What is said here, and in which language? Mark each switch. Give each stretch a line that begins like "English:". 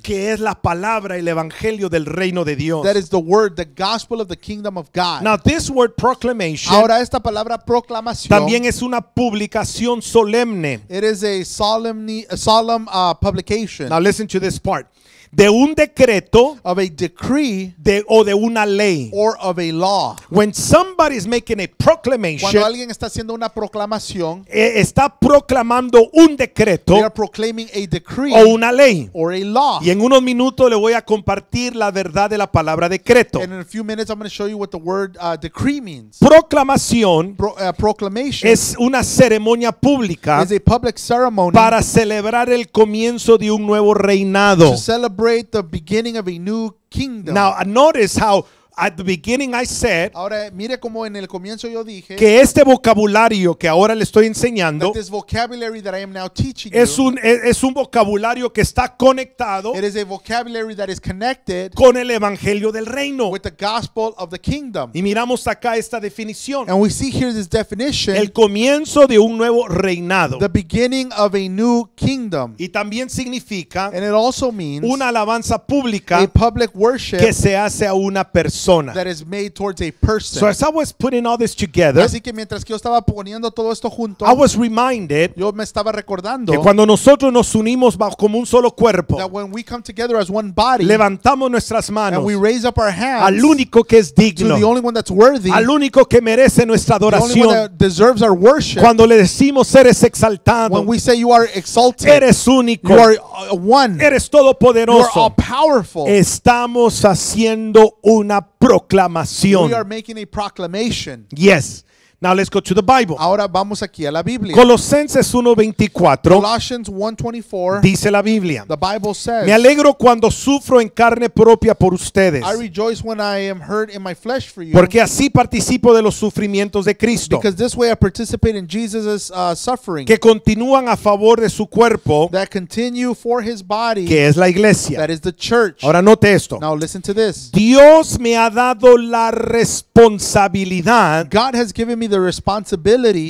Spanish: Que es la palabra, el evangelio del reino de Dios.
English: That is the word, the gospel of the kingdom of God. Now this word proclamation.
Spanish: Ahora esta palabra proclamación. También es una publicación solemne.
English: It is a solemn publication. Now listen to this part.
Spanish: De un decreto,
English: of a decree,
Spanish: de una ley,
English: or of a law. When somebody is making a proclamation,
Spanish: cuando alguien está haciendo una proclamación, está proclamando un decreto,
English: they are proclaiming a decree,
Spanish: o una ley,
English: or a law.
Spanish: Y en unos minutos le voy a compartir la verdad de la palabra decreto.
English: And in a few minutes I'm going to show you what the word decree means.
Spanish: Proclamación,
English: proclamation,
Spanish: es una ceremonia pública,
English: is a public ceremony,
Spanish: para celebrar el comienzo de un nuevo reinado.
English: Celebrate the beginning of a new kingdom. Now, notice how at the beginning I said,
Spanish: ahora, mire como en el comienzo yo dije, que este vocabulario que ahora le estoy enseñando,
English: that this vocabulary that I am now teaching
Spanish: es
English: you,
Spanish: es un vocabulario que está conectado,
English: it is a vocabulary that is connected,
Spanish: con el evangelio del reino,
English: with the gospel of the kingdom.
Spanish: Y miramos acá esta definición.
English: And we see here this definition,
Spanish: el comienzo de un nuevo reinado,
English: the beginning of a new kingdom.
Spanish: Y también significa,
English: and it also means,
Spanish: una alabanza pública,
English: a public worship,
Spanish: que se hace a una persona.
English: That is made towards a person. So as I was putting all this together,
Spanish: así que mientras que yo estaba poniendo todo esto junto,
English: I was reminded,
Spanish: yo me estaba recordando, que cuando nosotros nos unimos como un solo cuerpo,
English: that when we come together as one body,
Spanish: levantamos nuestras manos,
English: and we raise up our hands,
Spanish: al único que es digno,
English: to the only one that's worthy,
Spanish: al único que merece nuestra adoración,
English: the only one that deserves our worship,
Spanish: cuando le decimos eres exaltado,
English: when we say you are exalted,
Spanish: eres único,
English: you are one,
Spanish: eres todopoderoso,
English: you are all powerful,
Spanish: estamos haciendo una proclamación.
English: We are making a proclamation. Yes. Now let's go to the Bible.
Spanish: Ahora vamos aquí a la Biblia. Colosenses 1:24.
English: Colossians 1:24.
Spanish: Dice la Biblia.
English: The Bible says.
Spanish: Me alegro cuando sufro en carne propia por ustedes.
English: I rejoice when I am hurt in my flesh for you.
Spanish: Porque así participo de los sufrimientos de Cristo.
English: Because this way I participate in Jesus's suffering.
Spanish: Que continúan a favor de su cuerpo.
English: That continue for his body.
Spanish: Que es la iglesia.
English: That is the church.
Spanish: Ahora note esto.
English: Now listen to this.
Spanish: Dios me ha dado la responsabilidad.
English: God has given me the responsibility